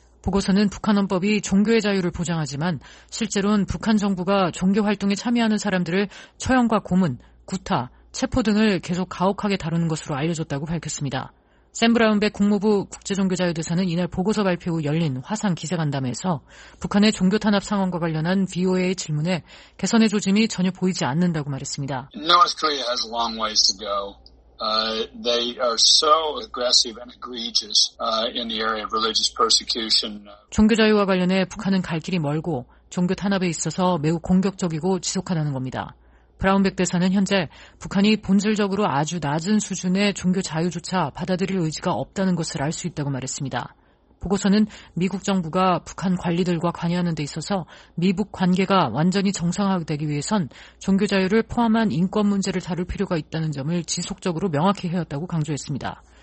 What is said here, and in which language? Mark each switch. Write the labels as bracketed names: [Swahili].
[Korean] 보고서는 북한 헌법이 종교의 자유를 보장하지만 실제로는 북한 정부가 종교활동에 참여하는 사람들을 처형과 고문, 구타, 체포 등을 계속 가혹하게 다루는 것으로 알려졌다고 밝혔습니다. 샘 브라운백 국무부 국제종교자유대사는 이날 보고서 발표 후 열린 화상 기자간담회에서 북한의 종교 탄압 상황과 관련한 VOA 질문에 개선의 조짐이 전혀 보이지 않는다고 말했습니다. [English] North Korea has a long ways to go. They are so aggressive and egregious in the area of religious persecution. [Korean] 종교 자유와 관련해 북한은 갈 길이 멀고 종교 탄압에 있어서 매우 공격적이고 지속하다는 겁니다. 브라운백 대사는 현재 북한이 본질적으로 아주 낮은 수준의 종교 자유조차 받아들일 의지가 없다는 것을 알 수 있다고 말했습니다. 보고서는 미국 정부가 북한 관리들과 관여하는 데 있어서 미북 관계가 완전히 정상화되기 위해선 종교 자유를 포함한 인권 문제를 다룰 필요가 있다는 점을 지속적으로 명확히 해왔다고 강조했습니다.